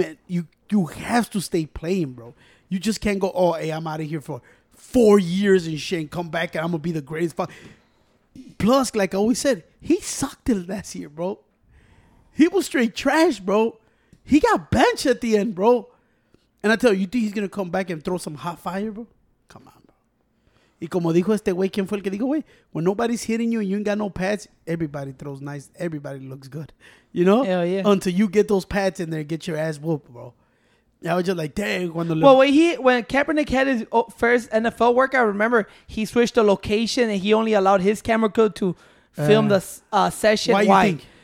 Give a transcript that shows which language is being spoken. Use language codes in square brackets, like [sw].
[en] And you have to stay playing, bro. You just can't go, oh, hey, I'm out of here for 4 years and shit and come back and I'm going to be the greatest. Plus, like I always said, he sucked it last year, bro. He was straight trash, bro. He got benched at the end, bro. And I tell you, you think he's going to come back and throw some hot fire, bro? Come on, bro. [es] Y como dijo este güey, ¿quién fue el que dijo, güey? [en] When nobody's hitting you and you ain't got no pads, everybody throws nice. Everybody looks good. You know? Hell yeah. Until you get those pads in there and get your ass whooped, bro. I was just like, dang. When Kaepernick had his first NFL workout, remember, he switched the location and he only allowed his camera crew to film the session. Why? You think?